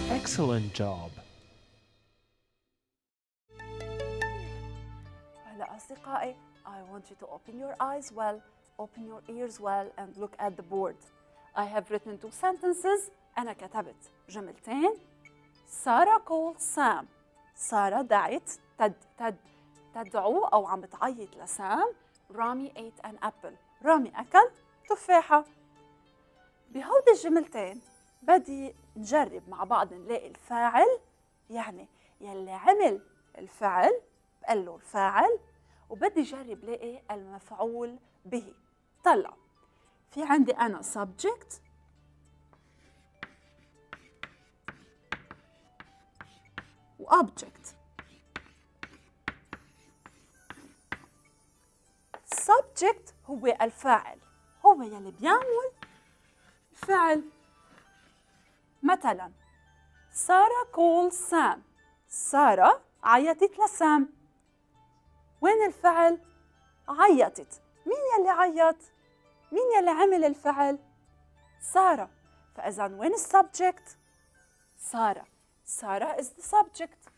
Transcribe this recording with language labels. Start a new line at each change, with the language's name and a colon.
English: Excellent job.
Arabic: هلا أصدقائي,
English: I want you to open your eyes well, open your ears well, and look at the board. I have written two sentences.
Arabic: أنا كتبت جملتين.
English: Sarah called Sam.
Arabic: Sarah دعت تدعو أو عم بتعيط لسام.
English: رامي ate an apple.
Arabic: رامي أكل تفاحة. بهودي الجملتين بدي نجرب مع بعض نلاقي الفاعل, يعني يلي عمل الفعل بقال له الفاعل, وبدي جرب لاقي المفعول به. طلع في عندي أنا subject, object. Subject هو الفاعل, هو يلي بيعمل فعل. مثلا
English: Sarah called Sam.
Arabic: Sarah عيطت لسام. وين الفعل؟ عيطت. مين يلي عيط؟ مين يلي عمل الفعل؟ Sarah. فإذا وين السبجكت؟ Sarah.
English: Sarah is the subject.